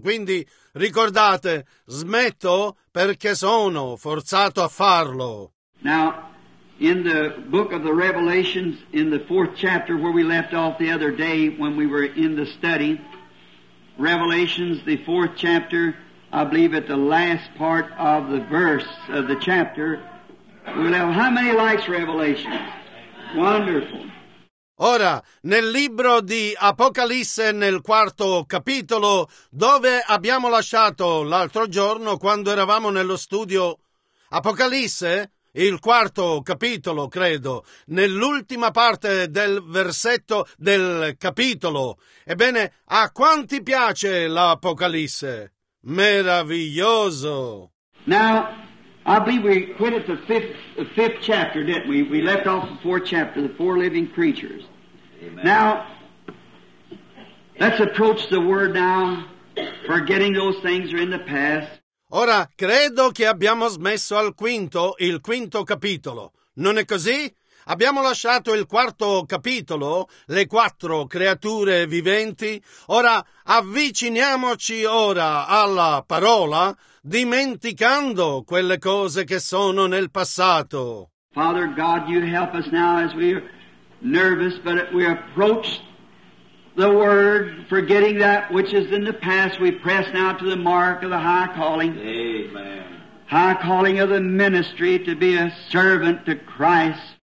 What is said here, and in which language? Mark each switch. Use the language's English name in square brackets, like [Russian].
[Italian] Quindi ricordate, smetto perché sono forzato a farlo. [English] Now, in the book of the Revelations, in the fourth chapter where we left off the other day when we were in the study, Revelations, the fourth chapter, I believe at the last part of the verse of the chapter. How many likes Revelation? Wonderful. [Italian] Ora, nel libro di Apocalisse, nel quarto capitolo, dove abbiamo lasciato l'altro giorno quando eravamo nello studio Apocalisse, il quarto capitolo, credo, nell'ultima parte del versetto del capitolo. Ebbene, a quanti piace l'Apocalisse? Meraviglioso. [English] Now, I believe we quit at the fifth chapter, didn't we? We left off the fourth chapter, the four living creatures. Amen. Now, let's approach the word now, forgetting those things that are in the past. [Italian] Ora, credo che abbiamo smesso al quinto, il quinto capitolo. Non è così? Abbiamo lasciato il quarto capitolo, le quattro creature viventi. Ora avviciniamoci ora alla parola, dimenticando quelle cose che sono nel passato. [English] Father God, you help us now as we are nervous, but we approach the word, forgetting that which is in the past. We press now to the mark of the high calling. Amen. High calling of the ministry to be a servant to Christ.